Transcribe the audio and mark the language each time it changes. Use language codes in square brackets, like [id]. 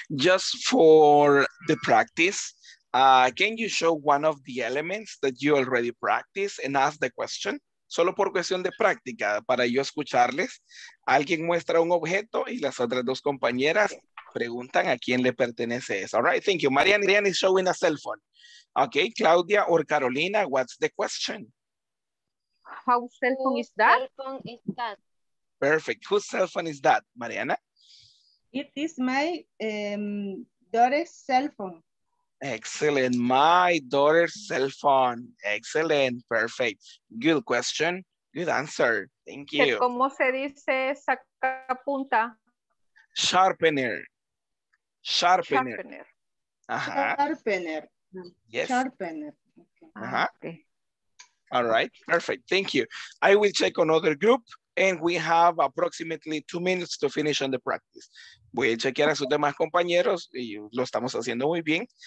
[en] Just for the practice, can you show one of the elements that you already practiced and ask the question? [es] Solo por cuestión de práctica, para yo escucharles, alguien muestra un objeto y las otras dos compañeras preguntan a quién le pertenece eso. [en] All right, thank you. Marian is showing a cell phone. Okay, Claudia or Carolina, what's the question? Whose cell phone is that? Perfect. Whose cell phone is that, Mariana? It is my daughter's cell phone. Excellent. My daughter's cell phone. Excellent. Perfect. Good question. Good answer. Thank you. [es] ¿Cómo se dice sacapunta? [en] Sharpener. Sharpener. Sharpener. Ajá. Yes. Sharpener. Okay. Uh-huh. All right. Perfect. Thank you. I will check another group and we have approximately 2 minutes to finish on the practice. [es] Voy a chequear a sus demás compañeros y lo estamos haciendo muy bien.